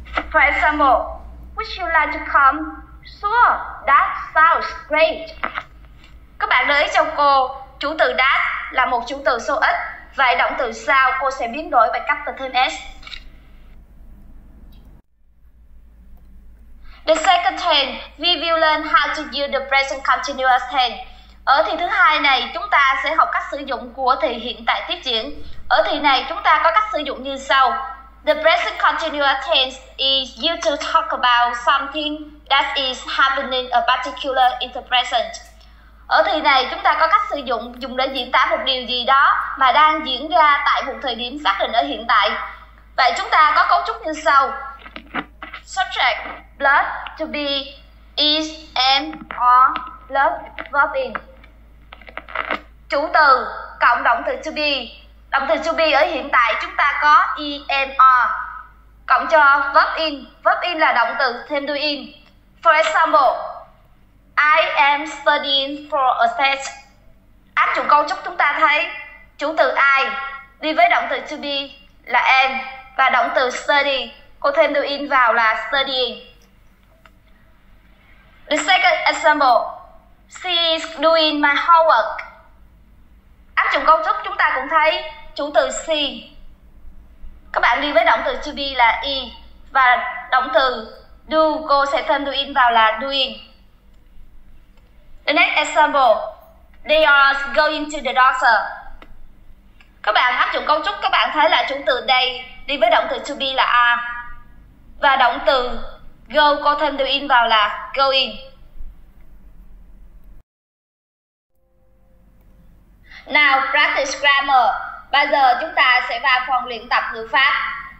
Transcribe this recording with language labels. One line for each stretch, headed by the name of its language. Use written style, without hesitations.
English: For example, would you like to come? Sure, that sounds great.
Vietnamese: Các bạn lưu ý cho cô, chủ từ that là một chủ từ số ít. Vậy động từ sau cô sẽ biến đổi bằng cách là thêm S.
English: The second tense, we will learn how to use the present continuous tense.
Vietnamese: Ở thì thứ hai này, chúng ta sẽ học cách sử dụng của thì hiện tại tiếp diễn. Ở thì này, chúng ta có cách sử dụng như sau.
English: The present continuous tense is used to talk about something that is happening a particular in the present.
Vietnamese: Ở thì này, chúng ta có cách sử dụng dùng để diễn tả một điều gì đó mà đang diễn ra tại một thời điểm xác định ở hiện tại. Vậy chúng ta có cấu trúc như sau.
English: Subject plus to be is am or plus verb in.
Vietnamese: Chủ từ cộng động từ to be. Động từ to be ở hiện tại chúng ta có am or cộng cho verb in.
English: Verb in
Vietnamese: là động từ thêm đuôi
English: in. For example, I am studying for a test.
Vietnamese: Áp dụng cấu trúc chúng ta thấy chủ từ I đi với động từ to be là am và động từ study cô thêm đuôi in vào là studying.
English: The second example, she is doing my homework.
Vietnamese: Áp dụng cấu trúc chúng ta cũng thấy chủ từ she, các bạn đi với động từ to be là e và động từ do cô sẽ thêm đuôi in vào là doing.
English: The next example, they are going to the doctor.
Vietnamese: Các bạn áp dụng cấu trúc các bạn thấy là chủ từ they đi với động từ to be là are. Và động từ go có thêm đuôi in vào là going.
English: Now practice grammar.
Vietnamese: Bây giờ chúng ta sẽ vào phòng luyện tập ngữ pháp.